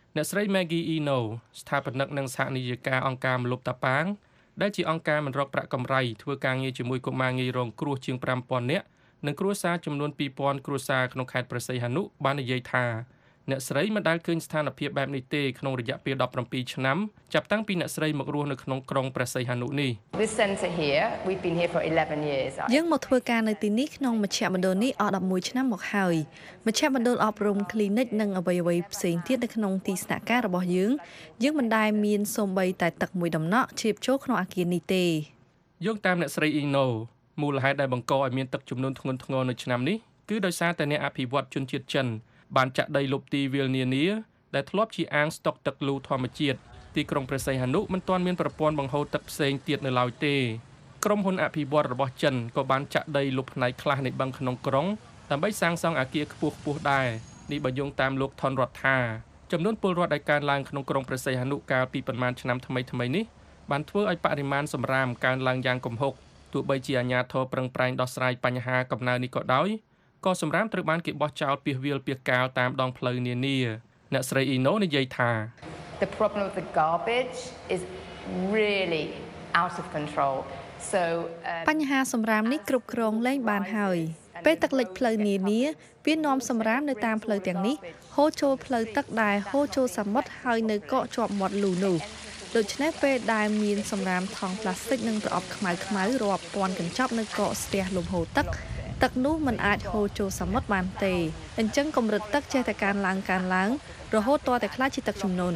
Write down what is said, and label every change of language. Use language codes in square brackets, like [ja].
[km] អ្នកស្រី Maggie Eno ស្ថាបនិកនិងសហនាយិកាអង្គការមលុបតាប៉ាងដែលជាអង្គការមិនរកប្រាក់កម្រៃធ្វើការងារជាមួយកុមារងាយរងគ្រោះជាង 5,000 នាក់និងគ្រួសារចំនួន 2,000 គ្រួសារក្នុងខេត្តព្រះសីហនុបាននិយាយថាអ្នកស្រីមិនដែលឃើញស្ថានភាពបែបនេះទេក្នុងរយៈពេល17ឆ្នាំចាប់តាំងពីអ្នកស្រីមករស់នៅក្នុងក្រុងព្រះសីហនុនេះ [en] This center here we've been here for 11 years [km] យើងមកធ្វើការនៅទីនេះក្នុងមជ្ឈមណ្ឌលនេះអស់11ឆ្នាំមកហើយមជ្ឈមណ្ឌលអប់រំគ្លីនិកនិងអ្វីៗផ្សេងទៀតនៅក្នុងទីស្នាក់ការរបស់យើងយើងមិនដែលមានសូម្បីតែទឹកមួយដំណក់ជ្រាបចូលក្នុងអាគារនេះទេ យោងតាមអ្នកស្រីអ៊ីណូមូលហេតុដែលបង្កឲ្យមានទឹកចំនួនធ្ងន់ធ្ងរនៅឆ្នាំនេះគឺដោយសារតែអ្នកអភិវឌ្ឍជនជាតិចិនបានចាក់ដីលុបទីវាលនានាដែលធ្លាប់ជាអាងស្តុកទឹកលូធម្មជាតិទីក្រុងព្រះសីហនុមិនទាន់មានប្រព័ន្ធបង្ហូរទឹកផ្សេងទៀតនៅឡើយទេ ក្រុមហ៊ុនអភិវឌ្ឍរបស់ចិនក៏បានចាក់ដីលុបផ្នែកខ្លះនៃបឹងក្នុងក្រុងដើម្បីសាងសង់អគារខ្ពស់ខ្ពស់ដែរនេះបញ្ជាក់តាមលោកថនរដ្ឋាចំនួនពលរដ្ឋដែលកើនឡើងក្នុងក្រុងព្រះសីហនុកាលពីប្រមាណឆ្នាំថ្មីៗនេះបានធ្វើឲ្យបរិមាណសំរាមកើនឡើងយ៉ាងគំហុកទោះបីជាអាជ្ញាធរប្រឹងប្រែងដោះស្រាយបញ្ហាកំណើននេះក៏ដោយក៏សម្រាមត្រូវបានគេបោះចោលពាសវាលពាសកាលតាមដងផ្លូវនានាអ្នកស្រីអ៊ីណូនិយាយថា [en] The problem of the garbage is really out of control so [km] បញ្ហាសម្រាមនេះគ្រប់គ្រងលែងបានហើយពេលទឹកលិចផ្លូវនានាវានាំសម្រាមនៅតាមផ្លូវទាំងនេះហូរចូលផ្លូវទឹកដែរហូរចូលសមុទ្រហើយនៅកកជាប់មាត់លូនោះដូច្នេះពេលដែលមានសម្រាមថង់ផ្លាស្ទិកនិងប្រអប់ខ្មៅខ្មៅរាប់ពាន់កញ្ចប់នៅកកស្ទះលំហូរទឹកទឹកនោះ [th] มัน [km] អាចហូរចូលសមុទ្របានទេអញ្ចឹងកម្រិតទឹកចេះតែកើនឡើងកើនឡើងរហូតទាល់តែខ្លាចជាទឹកជំនន